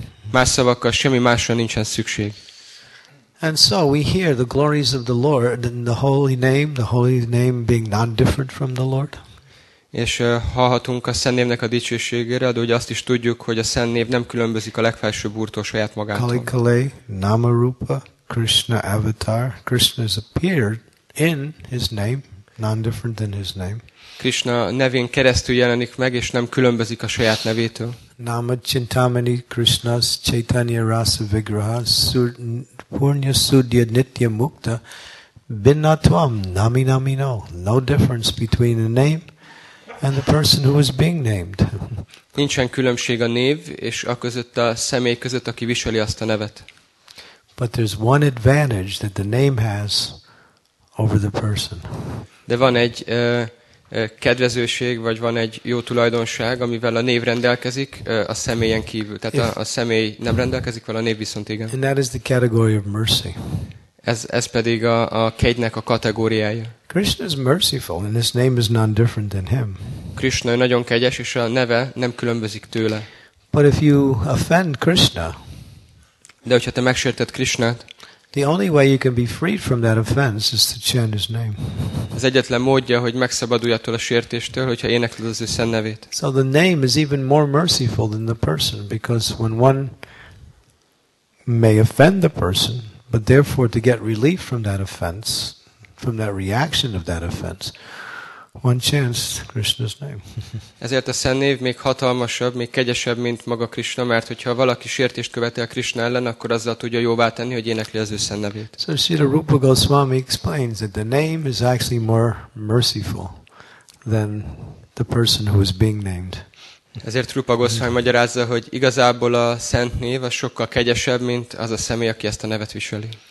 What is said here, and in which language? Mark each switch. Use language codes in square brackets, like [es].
[hu] Más szavakkal, semmi másra nincsen szükség. [en] And so we hear the glories of the Lord and the holy name being non-different from the Lord. [hu] És hallhatunk a Szent Névnek a dicsőségére, de ugye azt is tudjuk, hogy a Szent Név nem különbözik a legfelsőbb úrtól saját magától. [sa] Kali Kale, Nama Rupa, Krishna Avatar. [en] Krishna has appeared in his name, non-different than his name. [hu] Krishna nevén keresztül jelenik meg, és nem különbözik a saját nevétől. [sa] Nama Chintamani Krishna's Chaitanya Rasa Vigraha Purnya Sudya Nitya Mukta Binnatvam Nami Nami No. [en] No difference between the name and the person who is being named. [hu] Nincsen különbség a név és a között a személy között, aki viseli azt a nevet. [en] But there's one advantage that the name has over the person. [hu] De van egy kedvezőség, vagy van egy jó tulajdonság, amivel a név rendelkezik a személyen kívül. Tehát a személy nem rendelkezik, vele a név viszont igen. [en] And that is the category of mercy. [hu] Ez pedig a kegynek a kategóriája. [en] Krishna is merciful, and his name is none different than him. [hu] Krishna nagyon kegyes, és a neve nem különbözik tőle. [en] But if you offend Krishna, [hu] de hogyha te megsérted Krishnát, [en] the only way you can be freed from that offense is to chant his name. [hu] Az egyetlen módja, hogy megszabadulj attól a sértéstől, hogyha énekled az ő szent nevét. [en] So the name is even more merciful than the person, because when one may offend the person, but therefore to get relief from that offense, from that reaction of that offense, one chants Krishna's name. [hu] Ezért a szent név még hatalmasabb, még kegyesebb, mint maga Krishna, mert hogyha valaki sértést követel Krishna ellen, akkor azzal tudja jóvá tenni, hogy énekli az ő szent nevét. [en] So Srila Rupa Goswami explains that the name is actually more merciful than the person who is being named. [hu] Ezért Rupa Goswami magyarázza, hogy igazából a szent név az sokkal kegyesebb, mint az a személy, aki ezt a nevet viseli.